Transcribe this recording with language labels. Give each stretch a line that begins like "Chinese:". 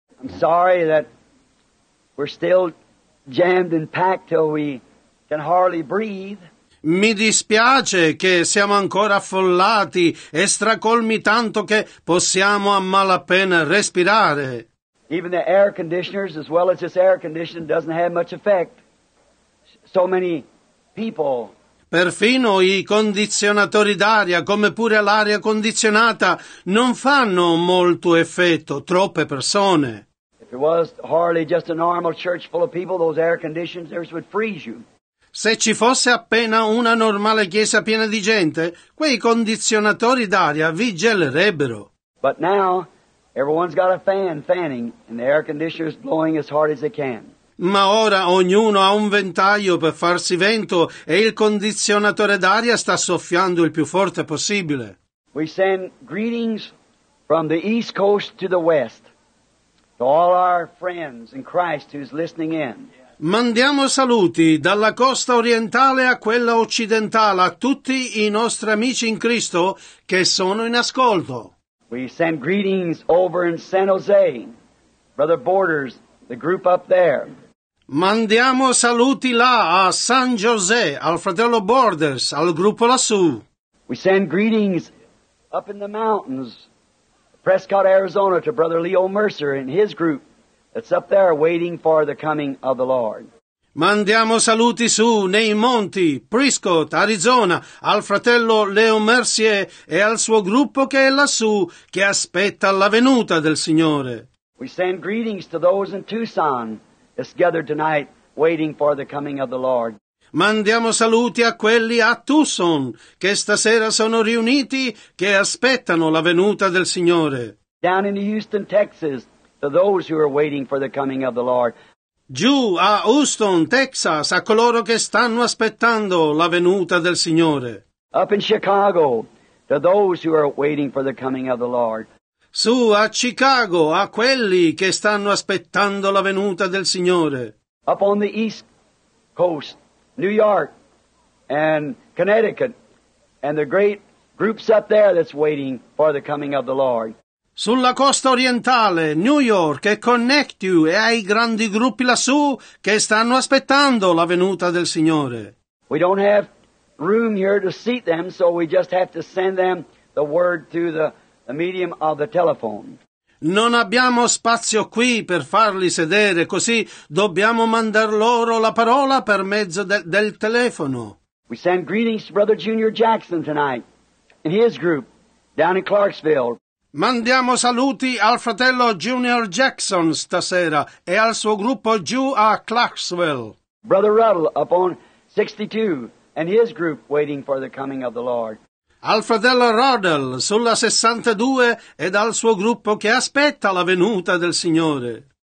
English: I'm sorry that we're still jammed and packed till we can hardly breathe.
Italian: Mi dispiace che siamo ancora affollati e stracolmi tanto che possiamo a malapena respirare.
English: Even the air conditioners, as well as this air conditioning, doesn't have much effect. So many people.
Italian: Perfino i condizionatori d'aria, come pure l'aria condizionata, non fanno molto effetto, troppe persone.
English: The If it was hardly just a normal church full of people, those air conditioners would freeze you.
Italian: Se ci fosse appena una normale chiesa piena di gente, quei condizionatori d'aria vi gelerebbero.
English: But now, everyone's got a fan fanning, and the air conditioner is blowing as hard as they can.
Italian: Ma ora ognuno ha un ventaglio per farsi vento e il condizionatore d'aria sta soffiando il più forte possibile.
English: We send greetings from the East Coast to the West to all our friends in Christ who's listening in.
Italian: Mandiamo saluti dalla costa orientale a quella occidentale a tutti i nostri amici in Cristo che sono in ascolto.
English: We send greetings over in San Jose, Brother Borders, the group up there.
Italian: Mandiamo saluti là a San José, al fratello Borders, al gruppo lassù.
English: We send greetings up in the mountains, Prescott, Arizona, to Brother Leo Mercer and his group that's up there waiting for the coming of the Lord.
Italian: Mandiamo saluti su nei monti, Prescott, Arizona, al fratello Leo Mercier e al suo gruppo che è lassù, che aspetta la venuta del Signore.
English: We send greetings to those in Tucson that's gathered tonight waiting for the coming of the Lord.
Italian: Mandiamo saluti a quelli a Tucson che stasera sono riuniti che aspettano la venuta del Signore.
English: Down in Houston, Texas, to those who are waiting for the coming of the Lord.
Italian: Giù a Houston, Texas, a coloro che stanno aspettando la venuta del Signore.
English: Up in Chicago, to those who are waiting for the coming of the Lord.
Italian: Su a Chicago, a quelli che stanno aspettando la venuta del Signore.
English: Up on the East Coast, New York and Connecticut, and the great groups up there that's waiting for the coming of the Lord.
Italian: Sulla costa orientale, New York e Connecticut, e ai grandi gruppi lassù che stanno aspettando la venuta del Signore.
English: We don't have room here to seat them, so we just have to send them the word through the medium of the telephone.
Italian: Non abbiamo spazio qui per farli sedere, così dobbiamo mandar loro la parola per mezzo del telefono.
English: We send greetings to Brother Junior Jackson tonight and his group down in Clarksville.
Italian: Mandiamo saluti al fratello Junior Jackson stasera e al suo gruppo giù a Clarksville.
English: Brother Ruddle up on 62 and his group waiting for the coming of the Lord.
Italian: Al fratello Rodel, sulla 62, ed al suo gruppo che aspetta la venuta del Signore.